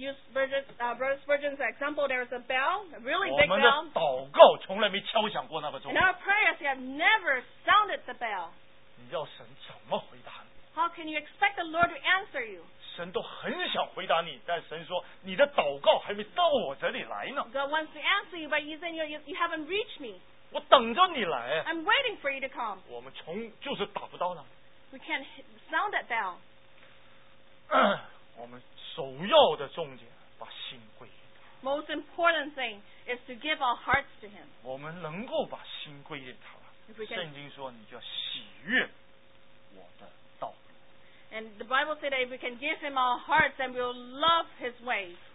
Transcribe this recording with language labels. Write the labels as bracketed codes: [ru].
[en] Brother Spurgeon's example, there is a bell, a really big bell. [zh] 我们的祷告从来没敲响过那个钟。 [en] And our prayers have never sounded the bell. [zh] 你要神怎么回答你? [en] How can you expect the Lord to answer you? [zh] 神都很想回答你, 但神说, 你的祷告还没到我这里来呢。 [en] God wants to answer you, but he's saying you haven't reached me. [zh] 我等着你来, [en] I'm waiting for you to come. [zh] 我们就是打不到呢。 [en] We can't sound that bell. [zh] 我们首要的重点, 把心归给他。 [en] Most important thing is to give our hearts to him. [zh] 我们能够把心归给他, [en] if we can, [zh] 圣经说, 你就要喜悦我的道。 [en] And the Bible said that if we can give him our hearts, then we'll love his ways.